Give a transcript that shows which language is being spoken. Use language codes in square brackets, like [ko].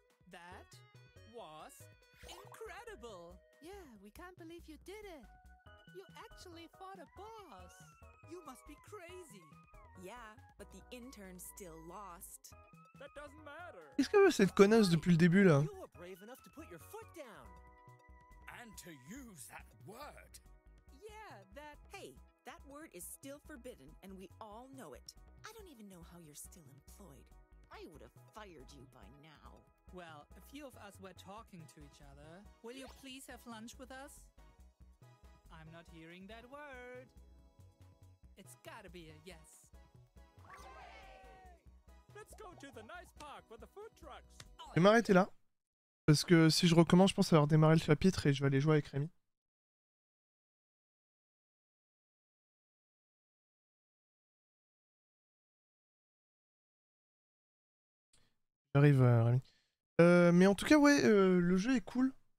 [en] That was incredible. Yeah, we can't believe you did it. You actually fought a boss. You must be crazy. Yeah, but the intern still lost. That doesn't matter. [fr] Qu'est-ce que veut cette connasse depuis le début là? [en] You were brave enough to put your foot down. And to use that word. Yeah, that. Hey, that word is still forbidden, and we all know it. I don't even know how you're still employed. I would have fired you by now. Well, a few of us were talking to each other. Will you please have lunch with us? I'm not hearing that word. It's gotta be a yes. Let's go to the nice park with the food trucks. [fr] Je vais m'arrêter là. Parce que si je recommence, je pense avoir démarré le chapitre et je vais aller jouer avec Rémi. J'arrive, Rémi. Mais en tout cas, ouais, le jeu est cool.